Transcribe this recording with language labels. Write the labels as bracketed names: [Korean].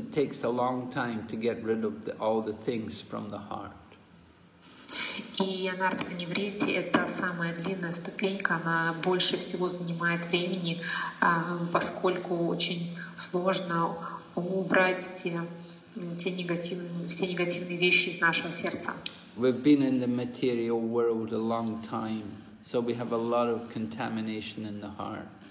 [English] It takes a long time to get rid of all the things from the heart. [Russian] И анартха нивритти – это самая длинная ступенька. Она больше всего занимает времени, поскольку очень сложно убрать все негативные вещи из нашего сердца. [English] We've been in the material world a long time, so we have a lot of contamination in the heart.